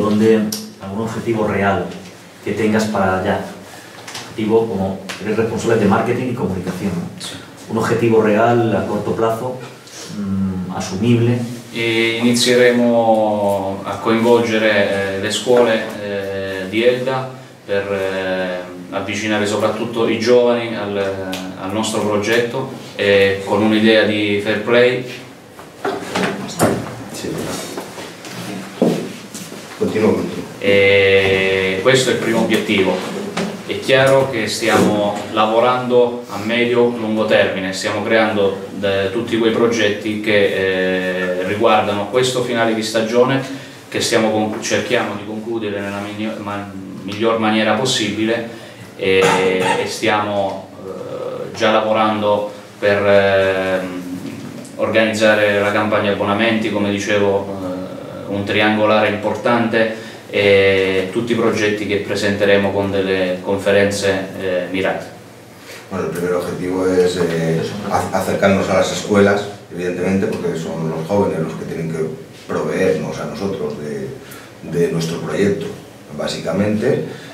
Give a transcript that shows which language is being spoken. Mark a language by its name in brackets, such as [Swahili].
[Spanish] ¿Dónde, algún objetivo real que tengas para allá? Objetivo como eres responsable de marketing y comunicación, ¿no? Un objetivo real a corto plazo, asumible. [Italian] E inizieremo a coinvolgere le scuole di Elda per avvicinare soprattutto i giovani al nostro progetto e con un'idea di fair play. Continuo. E questo è il primo obiettivo. È chiaro che stiamo lavorando a medio lungo termine, stiamo creando tutti quei progetti che riguardano questo finale di stagione che cerchiamo di concludere nella miglior maniera possibile e stiamo già lavorando per organizzare la campagna abbonamenti, come dicevo, un triangolare importante e tutti i progetti che presenteremo con delle conferenze mirate. [Spanish] Bueno, el primer objetivo es acercarnos a las escuelas, evidentemente, porque son los jóvenes los que tienen que proveernos a nosotros de nuestro proyecto, básicamente.